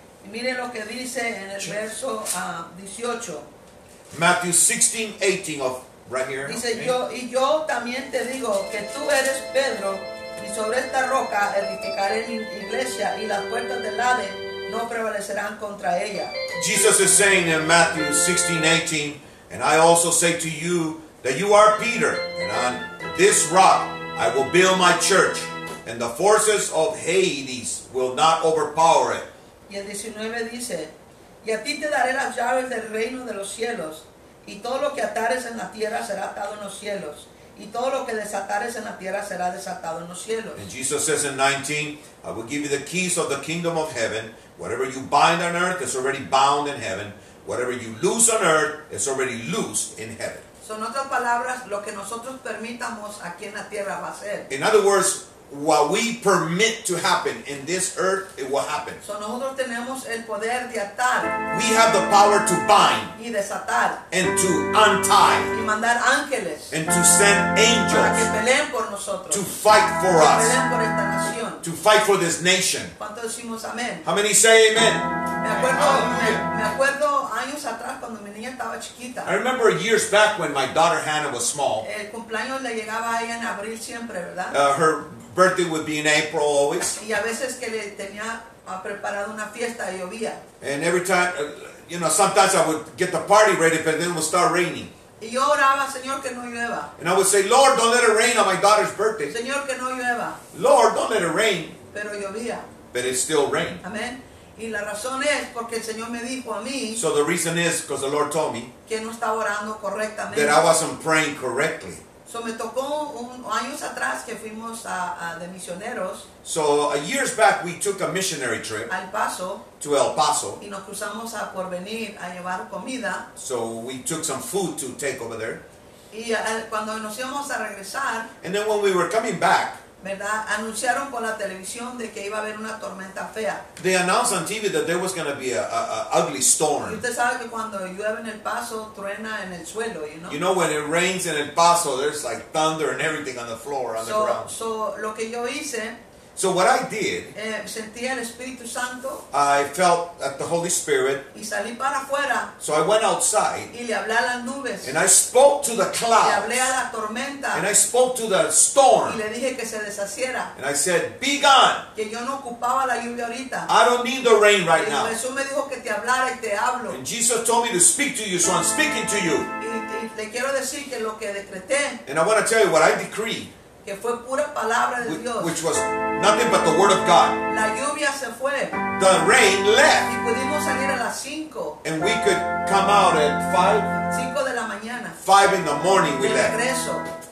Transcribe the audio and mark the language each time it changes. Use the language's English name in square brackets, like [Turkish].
[Spanish] Y miren lo que dice en el verso 18. [English] Matthew 16:18 of right here. [Spanish] Dice, okay. Yo también te digo que tú eres Pedro, y sobre esta roca edificaré mi iglesia, y las puertas del Hades no prevalecerán contra ella. [English] Jesus is saying in Matthew 16:18, and I also say to you that you are Peter, and on this rock I will build my church, and the forces of Hades will not overpower it. [Spanish] Y el 19 dice, y a ti te daré las llaves del reino de los cielos, y todo lo que atares en la tierra será atado en los cielos, y todo lo que desatares en la tierra será desatado en los cielos. [English] And Jesus says in 19, I will give you the keys of the kingdom of heaven. Whatever you bind on earth is already bound in heaven. Whatever you loose on earth is already loosed in heaven. [Spanish] So, en otras palabras, lo que nosotros permitamos aquí en la tierra va a ser. [English] In other words, what we permit to happen in this earth, it will happen. [Spanish] So nosotros tenemos el poder de atar. [English] We have the power to bind. [Spanish] Y desatar. [English] And to untie. [Spanish] Y mandar ángeles. [English] And to send angels. [Spanish] Para que peleen por nosotros. [English] To fight for us. [Spanish] Peleen por esta nación. [English] To fight for this nation. [Spanish] ¿Cuánto decimos amén? [English] How many say amen? [Spanish] Me acuerdo años atrás cuando mi niña estaba chiquita. [English] I remember years back when my daughter Hannah was small. [Spanish] El cumpleaños le llegaba a ella en abril siempre, ¿verdad? [English] Her birthday would be in April always. [Spanish] Y a veces que le tenía preparado una fiesta y llovía. [English] And every time, you know, sometimes I would get the party ready, but then it would start raining. [Spanish] Y yo oraba, Señor, que no llueva. [English] And I would say, Lord, don't let it rain on my daughter's birthday. [Spanish] Señor, que no llueva. [English] Lord, don't let it rain. [Spanish] Pero llovía. [English] But it still rained. Amen. [Spanish] Y la razón es porque el Señor me dijo a mí. [English] So the reason is because the Lord told me. [Spanish] Que no estaba orando correctamente. [English] That I wasn't praying correctly. [Spanish] So me tocó años atrás que fuimos de misioneros. [English] So years back we took a missionary trip. [Spanish] Al Paso. [English] To El Paso. [Spanish] Y nos cruzamos a Porvenir a llevar comida. [English] So we took some food to take over there. [Spanish] Y cuando nos íbamos a regresar. [English] And then when we were coming back. [Spanish] ¿Verdad? Anunciaron por la televisión de que iba a haber una tormenta fea. [English] They announced on TV that there was going to be a ugly storm. [Spanish] Y usted sabe que cuando llueve en El Paso, truena en el suelo, [English] you know? You know, when it rains in El Paso, there's like thunder and everything on the floor, on the ground. [Spanish] So, lo que yo hice. [English] So, what I did. [Spanish] Sentía el Espíritu Santo. [English] I felt at the Holy Spirit. [Spanish] Y salí para afuera. [English] So, I went outside. [Spanish] Y le hablé a las nubes. [English] And I spoke to the clouds. [Spanish] Y hablé a la tormenta. [English] And I spoke to the storm. [Spanish] Y le dije que se deshaciera. [English] And I said, be gone. [Spanish] Que yo no ocupaba la lluvia ahorita. [English] I don't need the rain right now. [Spanish] Y Jesús me dijo que te hablara y te hablo. [English] And Jesus told me to speak to you, so I'm speaking to you. [Spanish] Y le quiero decir que lo que decreté. [English] And I want to tell you what I decreed. [Spanish] Que fue pura palabra de Dios. [English] Which was nothing but the word of God. [Spanish] La lluvia se fue. [English] The rain left. [Spanish] Y pudimos salir a las cinco. [English] And we could come out at 5. [Spanish] Cinco de la mañana. [English] 5 in the morning we left. [Spanish] De regreso.